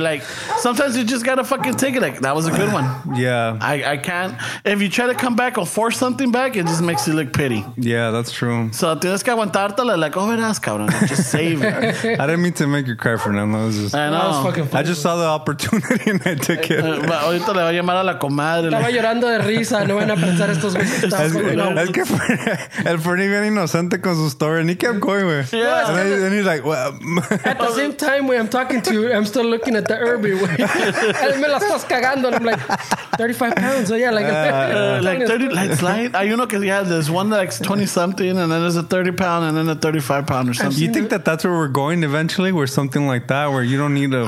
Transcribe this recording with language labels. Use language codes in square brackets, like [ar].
[en] Like sometimes you just gotta fucking take it. Like that was a good one. Yeah. I can't. If you try to come back or force something back, it just makes you look pity. Yeah, that's true. So [es] tienes que aguantártela. [en] Like, oh, [es] verás, cabrón. [en] Just save it. I didn't mean to make you cry for nothing. I know. That was fucking funny. I just saw the opportunity and I took it. [es] Ahorita le voy a llamar a la comadre. Estaba llorando de risa. No van a pensar estos güeyes. Es que el Fernie bien inocente con su story. Ni que going, [en] yeah. And then he's like, well, at the same time when I'm talking to you, I'm still looking at the herbie. And I'm like, 35 pounds. So yeah, like 30, like slight. You know, cause yeah, there's one that's like 20 something and then there's a 30 pound and then a 35 pound or something. You think that that's where we're going eventually, where something like that, where you don't need a,